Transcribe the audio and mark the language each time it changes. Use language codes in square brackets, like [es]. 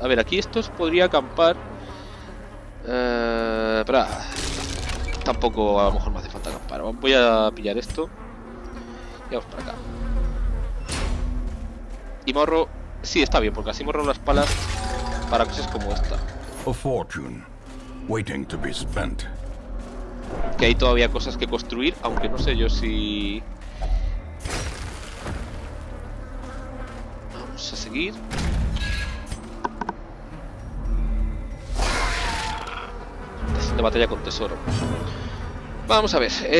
[es] A ver, aquí estos podría acampar. Espera. Tampoco a lo mejor me hace falta acampar. Voy a pillar esto. Y vamos para acá. Y morro. Sí, está bien, porque así morro las palas para cosas como esta. [en] A fortune waiting to be spent. [es] Que hay todavía cosas que construir, aunque no sé yo si... Vamos a seguir. Estación de batalla con tesoro. Vamos a ver.